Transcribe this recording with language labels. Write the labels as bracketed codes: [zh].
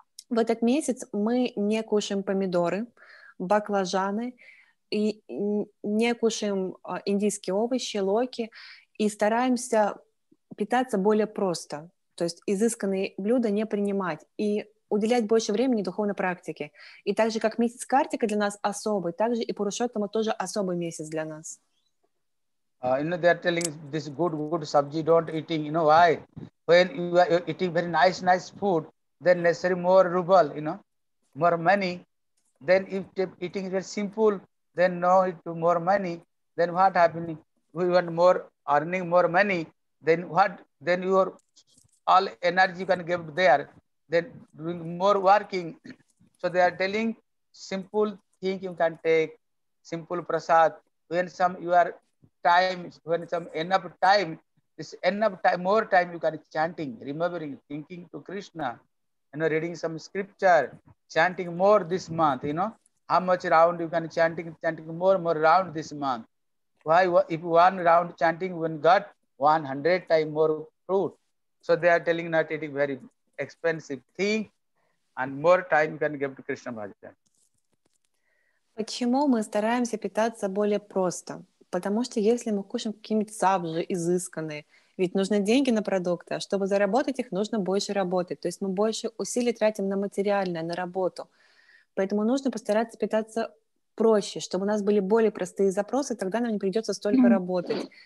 [ru] В этот месяц мы не кушаем помидоры, баклажаны, и не кушаем индийские овощи, локи и стараемся питаться более просто, то есть изысканные блюда не принимать и уделять больше времени духовной практике. И так же, как месяц Картика для нас особый, так же и Пурушоттама тоже особый месяц для нас. [en] They are telling this good sabji, don't eating, you know why? When you are eating very nice food, then necessary more ruble, you know, more money. Then if eating is very simple, then no more money. Then what happening? We want more earning more money. Then what? Then your all energy can give there. Then doing more working. So they are telling simple thing you can take, simple prasad. When some you are time, when some enough time, this enough time, more time you can chanting, remembering, thinking to Krishna, and reading some scripture, chanting more this month, you know, how much round you can chanting more round this month. Why? If one round chanting, when got 100 time more fruit. So they are telling not eating very expensive thing, and more time you can give to Krishna Bhajan. [ru] Почему мы стараемся питаться более просто? Потому что если мы кушаем какие-нибудь сабжи изысканные, ведь нужны деньги на продукты, а чтобы заработать их, нужно больше работать. То есть мы больше усилий тратим на материальное, на работу. Поэтому нужно постараться питаться проще, чтобы у нас были более простые запросы, тогда нам не придется столько работать.